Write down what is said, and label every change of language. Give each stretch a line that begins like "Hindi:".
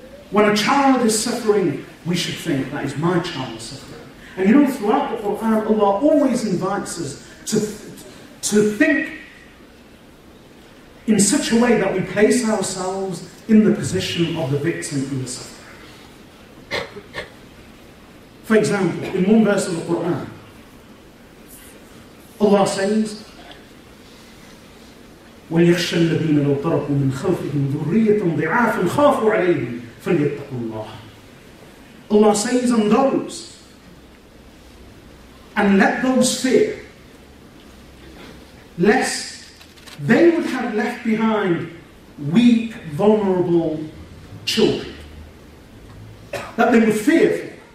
English: When a child is suffering, we should think that is my child suffering. And you know, throughout the Quran, Allah always invites us to think in such a way that we place ourselves in the position of the victim in the suffering.
Arabic: For example, in one verse of the Quran, Allah says, وَلْيَخْشَ الَّذِينَ لَوْ تَرَكُوا مِنْ خَلْفِهِمْ ذُرِّيَّةً ضِعَافٍ خَافُوا عَلَيْهِمْ فَلْيَتَّقُوا اللَّهَ.
English: Allah says, on those, and let those fear, lest they would have left behind weak, vulnerable children, that they would fear for.